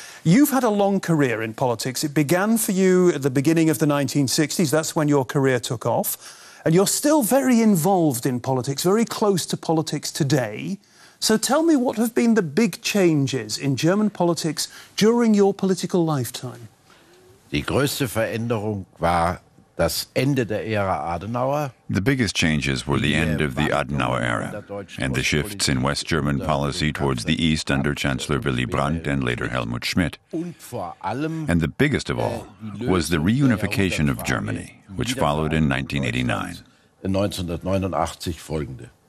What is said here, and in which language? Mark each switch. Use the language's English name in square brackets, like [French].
[English] You've had a long career in politics. It began for you at the beginning of the 1960s. That's when your career took off. And you're still very involved in politics, very close to politics today. So tell me, what have been the big changes in German politics during your political lifetime? [German] Die größte Veränderung war das Ende der Ära Adenauer. [English] The biggest changes were the end of the Adenauer era and the shifts in West German policy towards the East under Chancellor Willy Brandt and later Helmut Schmidt. And the biggest of all was the reunification of Germany, which followed in 1989.